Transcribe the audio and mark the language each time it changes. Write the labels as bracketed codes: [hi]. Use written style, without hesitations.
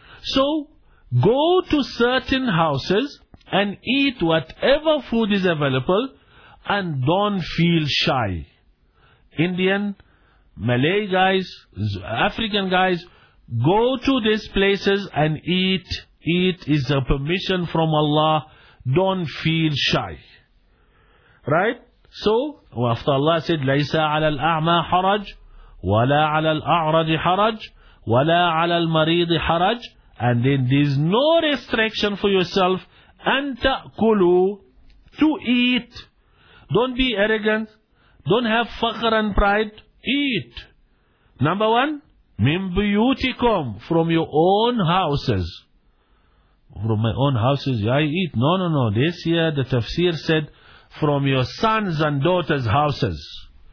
[en] So go to certain houses and eat whatever food is available, and don't feel shy. Indian, Malay guys, African guys, go to these places and eat. Eat is a permission from Allah. Don't feel shy. Right? So, after Allah said, [ar] لَيْسَ عَلَى الْأَعْمَى حَرَجٍ وَلَا عَلَى الْأَعْرَجِ حَرَجٍ وَلَا عَلَى الْمَرِيضِ حَرَجٍ, [en] and then there's no restriction for yourself. [ar] أَن تَأْكُلُوا, [en] to eat. Don't be arrogant. Don't have fakhr and pride. Eat. Number one, [ar] مِن بُيُوتِكُمْ, [en] from your own houses. From my own houses, I eat. No, no, no. This year the tafsir said, from your sons and daughters' houses.